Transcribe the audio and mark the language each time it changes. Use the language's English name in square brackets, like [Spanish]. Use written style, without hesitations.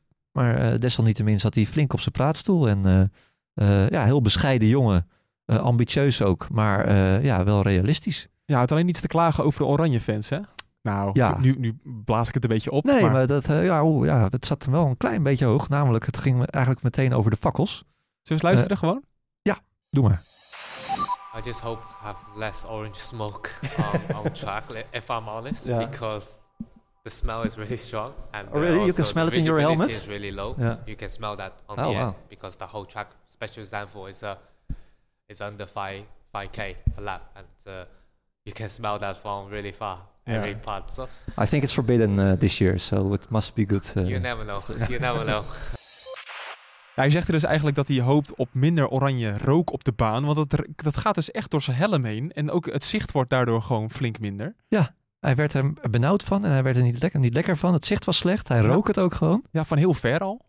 [Dutch] Maar desalniettemin zat hij flink op zijn praatstoel. En heel bescheiden jongen, ambitieus ook, maar wel realistisch. Ja, het had alleen iets te klagen over de Oranje fans, hè? Nou, nu blaas ik het een beetje op. Nee, maar het zat wel een klein beetje hoog. Namelijk, het ging eigenlijk meteen over de fakkels. Zullen we eens luisteren gewoon? Ja, doe maar. [English] I just hope I have less orange smoke on track, if I'm honest, yeah. Because the smell is really strong. And really? You can smell it in your helmet? Is really low. Yeah. You can smell that on the air. Wow. Because the whole track, especially Zandvoort, is under 5K a lap. And you can smell that from really far. Yeah. Every part. So I think it's forbidden this year, so it must be good. You never know. You never know. [Dutch] Hij zegt er dus eigenlijk dat hij hoopt op minder oranje rook op de baan. Want dat gaat dus echt door zijn helm heen. En ook het zicht wordt daardoor gewoon flink minder. Ja, hij werd er benauwd van en hij werd er niet lekker van. Het zicht was slecht, hij rook het ook gewoon. Ja, van heel ver al.